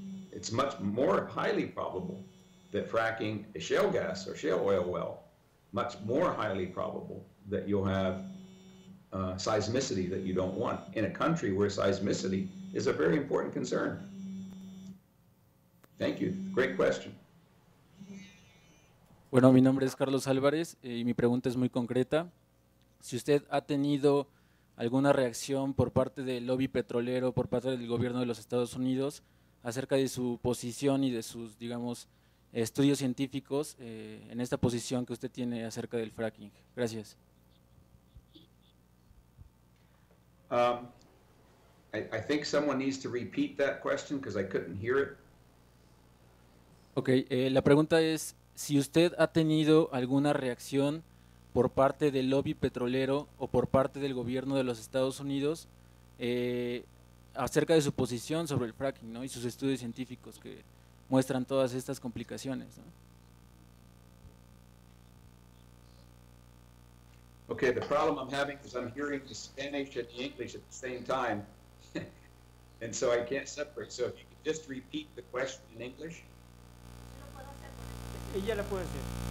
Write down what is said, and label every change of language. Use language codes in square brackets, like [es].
[en] It's much more highly probable that fracking a shale gas or shale oil well, much more highly probable that you'll have seismicity that you don't want in a country where seismicity is a very important concern. Thank you. Great question. [es] Bueno, mi nombre es Carlos Álvarez y mi pregunta es muy concreta. Si usted ha tenido alguna reacción por parte del lobby petrolero, por parte del gobierno de los Estados Unidos, acerca de su posición y de sus, digamos, estudios científicos en esta posición que usted tiene acerca del fracking. Gracias. [en] I think someone needs to repeat that question because I couldn't hear it. Okay, la pregunta es si usted ha tenido alguna reacción por parte del lobby petrolero o por parte del gobierno de los Estados Unidos acerca de su posición sobre el fracking, ¿no? Y sus estudios científicos que muestran todas estas complicaciones, ¿no? Okay, the problem I'm having is I'm hearing the Spanish and the English at the same time, and so I can't separate. So if you could just repeat the question in English. [es] Ella la puede hacer.